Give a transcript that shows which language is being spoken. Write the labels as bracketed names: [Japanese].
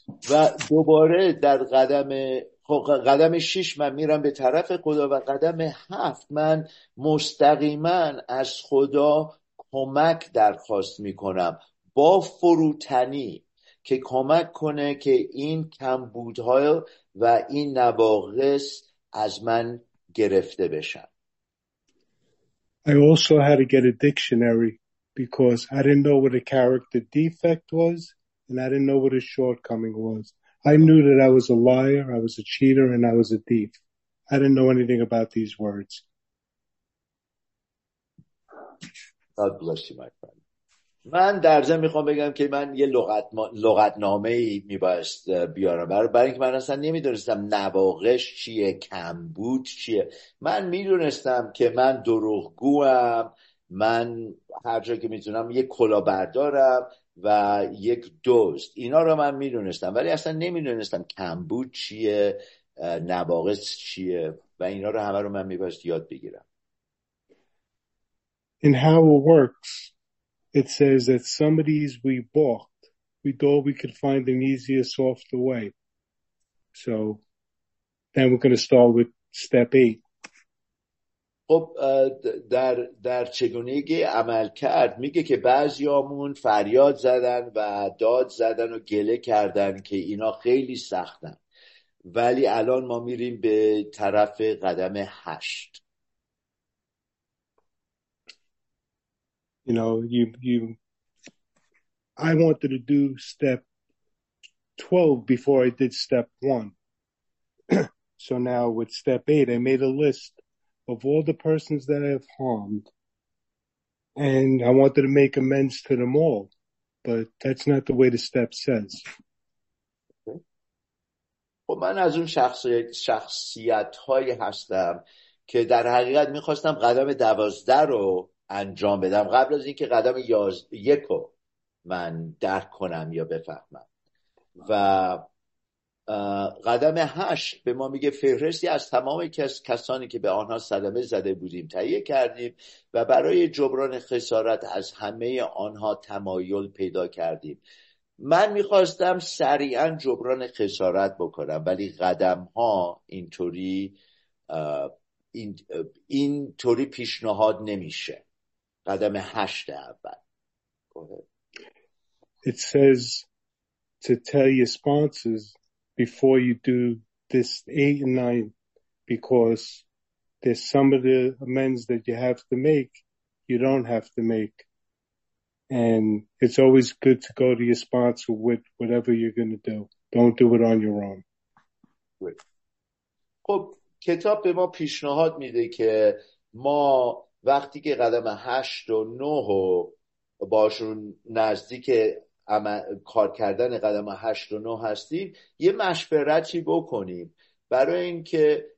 [Persian] و دوباره در قدم شیش من میرم به طرف خدا و قدم هفت من مستقیما از خدا کمک درخواست میکنم با فروتنی که کمک کنه که این کمبودها و این نواقص از من گرفته بشن. [English] I also had to get a dictionary because I didn't know what a character defect was. And I didn't know what his shortcoming was. I knew that I was a liar, I was a cheater, and I was a thief. I didn't know anything about these words. God bless you, my friend. [Persian] من در ضمن میخوام بگم که من یه لغتنامه ای میبایست بیارم برای اینکه من اصلا نمیدونستم نواقص چیه، کمبود چیه. من میدونستم که من دروغگوام، من هر جا که میتونم یه کلاهبردارم و یک دوست. اینا رو من میدونستم ولی اصلا نمیدونستم کمبود چیه، نواقص چیه و اینا رو همه رو من میباید یاد بگیرم. [English] In how it works, it says that some of these we balked. We thought we could find an easier, softer way. So then we're going to start with step eight. [Persian] خب در چگونگی عمل کرد میگه که بعضی آمون فریاد زدن و داد زدن و گله کردن که اینا خیلی سختن ولی الان ما میریم به طرف قدم هشت. [English] You know, I wanted to do step 12 before I did step 1. So now with step 8, I made a list of all the persons that I have harmed, and I wanted to make amends to them all, but that's not the way the step says. [Persian] خب من از اون شخصیت‌هایی هستم که در حقیقت می‌خواستم قدم 12 رو انجام بدم قبل از اینکه قدم 1 رو من درک کنم یا بفهمم. و قدم هشت به ما میگه فهرستی از تمام کسانی که به آنها صدمه زده بودیم تهیه کردیم و برای جبران خسارت از همه آنها تمایل پیدا کردیم. من میخواستم سریعا جبران خسارت بکنم ولی قدم ها اینطوری پیشنهاد نمیشه. قدم هشت اول. [English] It says to tell your sponsors before you do this 8 and 9, because there's some of the amends that you have to make, you don't have to make. And it's always good to go to your sponsor with whatever you're going to do. Don't do it on your own. Great. [Persian] خب کتاب به ما پیشنهاد میده که ما وقتی که قدم 8 و 9 و باشون نزدیک کار کردن قدم 8 و 9 هستیم یه مشورتی بکنیم برای اینکه